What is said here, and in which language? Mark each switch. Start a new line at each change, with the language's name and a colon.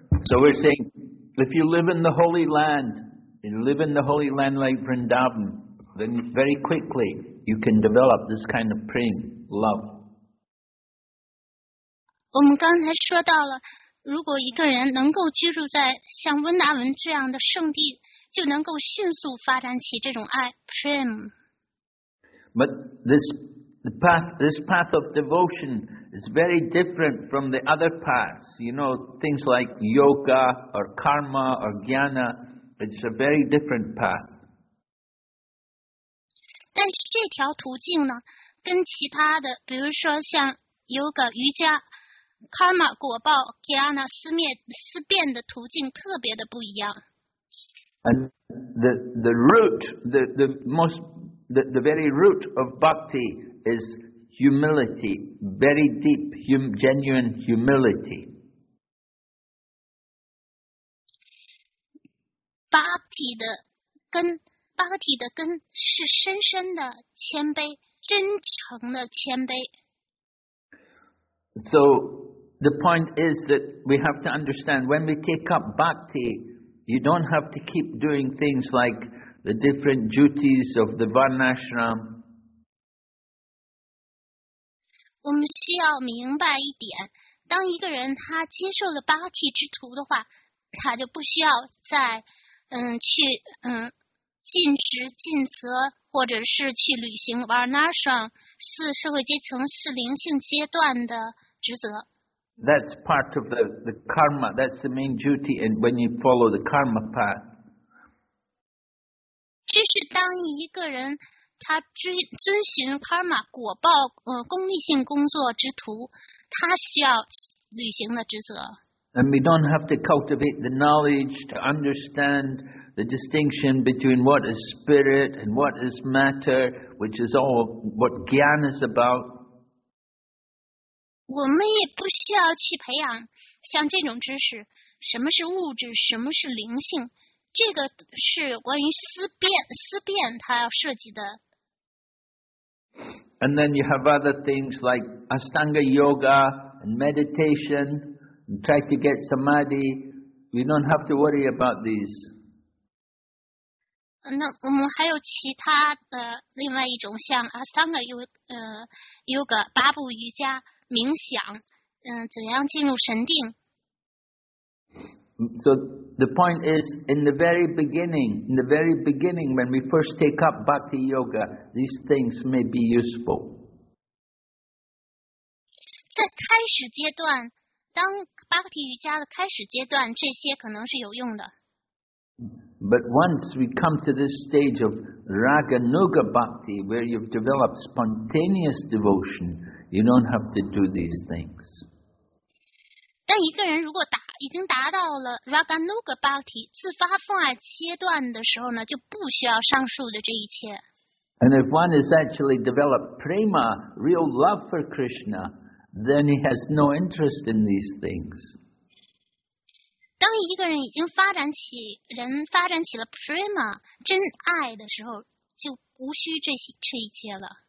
English: So we're saying, if you live in the holy land, you live in the holy land like Vrindavan, then very quickly you can develop this kind of prem, love.
Chinese: 我们刚才说到了，如果一个人能够居住在像温达文这样的圣地，就能够迅速发展起这种爱 prem.
English: But this path of devotion. It's very different from the other paths, you know, things like yoga or karma or jnana. It's a very different path.
Chinese: 但是这条途径呢，跟其他的，比如说像 yoga 瑜伽、karma 果报、jnana 思辨的途径特别的不一样。
English: And the very root of bhakti is. Humility, very deep, genuine humility.
Chinese: Bhakti 的根是深深的谦卑，真诚的谦卑。
English: So the point is that we have to understand when we take up bhakti, you don't have to keep doing things like the different duties of the varnashram.
Chinese: 我们需要明白一点，当一个人他接受了八剃之徒的话，他就不需要再去尽职尽责，或者是去履行 Varnashram 四社会阶层四灵性阶段的职责。
English: That's part of the karma. That's the main duty. And when you follow the karma path,
Chinese: 这是当一个人他遵循 karma 果报功利性工作之徒，他需要履行的职责。
English: And we don't have to cultivate the knowledge to understand the distinction between what is spirit and what is matter, which is all what gyan is about.
Chinese: 我们也不需要去培养像这种知识，什么是物质，什么是灵性，这个是关于思辨它要涉及的。
English: And then you have other things like Ashtanga Yoga and meditation. And try to get samadhi. We don't have to worry about these.
Chinese: 那我们还有其他的另外一种，像 Ashtanga Yoga 八步瑜伽冥想，怎样进入神定
English: ？So the point is, in the very beginning, when we first take up Bhakti Yoga, these things may be useful.
Chinese: 在开始阶段。当巴克提瑜伽的开始阶段，这些可能是有用的。
English: But once we come to this stage of Raganuga Bhakti, where you've developed spontaneous devotion, you don't have to do these things.
Chinese: 但一个人如果已经达到了 Raganuga Bhakti 自发奉爱阶段的时候呢，就不需要上述的这一切。
English: And if one has actually developed prema, real love for Krishna. Then he has no interest in these things.
Chinese: 当一个人已经发展起了 prema 真爱的时候，就无需这一切了。